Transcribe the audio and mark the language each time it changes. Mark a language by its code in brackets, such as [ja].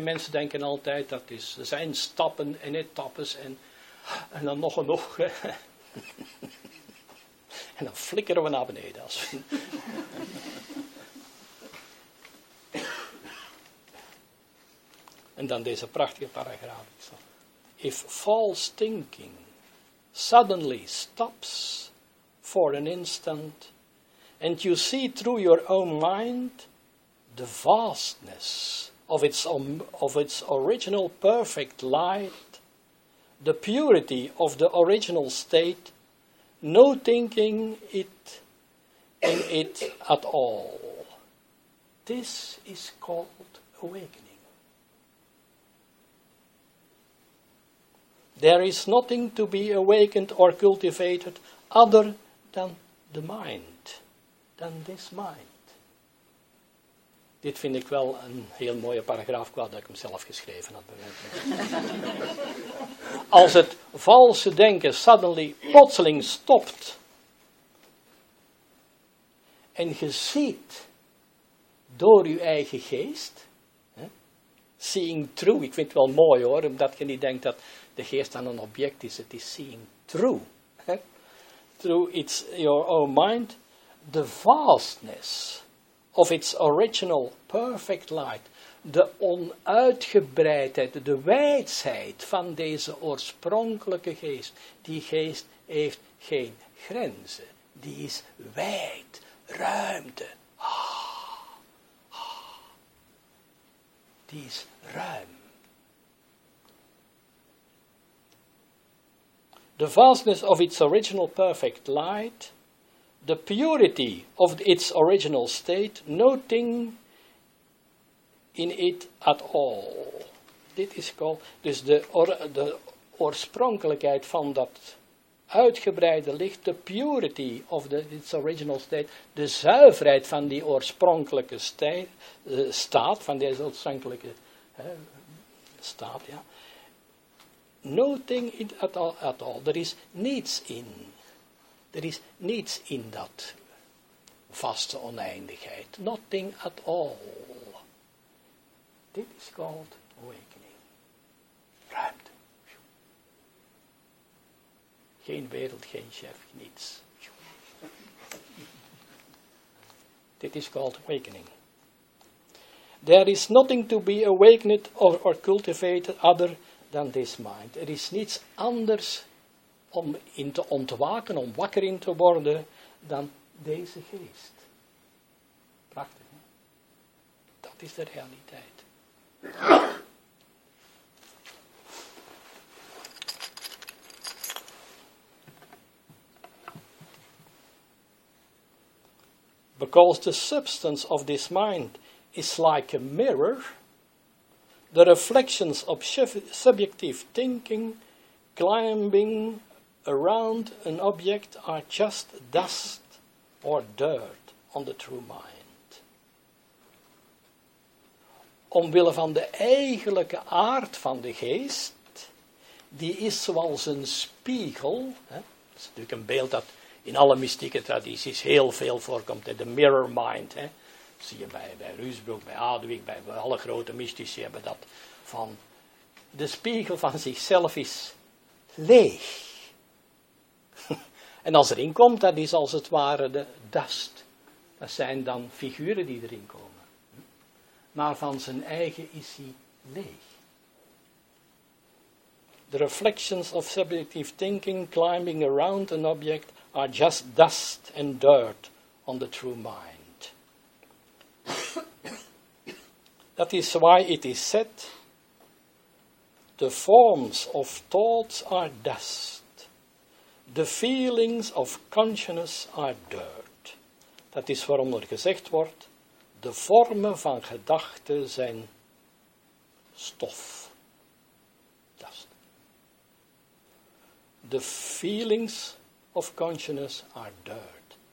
[nl] Mensen denken altijd, dat is, er zijn stappen en etappes en dan nog en nog. Hè? En dan flikkeren we naar beneden. Als we... En dan deze prachtige paragraaf. [en] If false thinking suddenly stops for an instant, and you see through your own mind the vastness of its original perfect light, the purity of the original state, no thinking it in it at all. This is called awakening. There is nothing to be awakened or cultivated other than the mind, than this mind. [nl] Dit vind ik wel een heel mooie paragraaf, kwaad dat ik hem zelf geschreven had. Als het valse denken [en] suddenly [nl] plotseling stopt en je ziet door je eigen geest, hè, [en] seeing through, [nl] ik vind het wel mooi hoor, omdat je niet denkt dat de geest aan een object is, het is seeing through. Hè, [en] through its, your own mind, the vastness of its original perfect light, [nl] de onuitgebreidheid, de wijdheid van deze oorspronkelijke geest, die geest heeft geen grenzen, die is wijd, ruimte, die is ruim. [en] The vastness of its original perfect light, the purity of its original state, nothing in it at all. [nl] Dit is [en] called, [nl] dus de oorspronkelijkheid van dat uitgebreide licht, [en] the purity of its original state, [nl] de zuiverheid van die oorspronkelijke staat, van deze oorspronkelijke staat, ja. [en] Nothing in at all. [nl] Er is niets in. Er is niets in dat vaste oneindigheid. [en] Nothing at all. [nl] Dit is [en] called awakening. Ruimte. [nl] Geen wereld, geen chef, niets. Dit is [en] called awakening. There is nothing to be awakened or cultivated other than this mind. [nl] Er is niets anders om in te ontwaken, om wakker in te worden, dan deze geest. Prachtig, hè? Dat is de realiteit. [en] Because the substance of this mind is like a mirror, the reflections of subjective thinking climbing around an object are just dust or dirt on the true mind. [nl] Omwille van de eigenlijke aard van de geest, die is zoals een spiegel, hè? Dat is natuurlijk een beeld dat in alle mystieke tradities heel veel voorkomt, hè? De [en] mirror mind, [nl] hè? Dat zie je bij Ruusbroek, bij Adwijk, bij alle grote mystici hebben dat, van de spiegel van zichzelf is leeg. En als erin komt, dat is als het ware de dust. Dat zijn dan figuren die erin komen. Maar van zijn eigen is hij leeg. [en] The reflections of subjective thinking climbing around an object are just dust and dirt on the true mind. That is why it is said, the forms of thoughts are dust. The feelings of consciousness are dirt. [nl] Dat is waarom er gezegd wordt, de vormen van gedachten zijn stof. Dust. [en] The feelings of consciousness are dirt.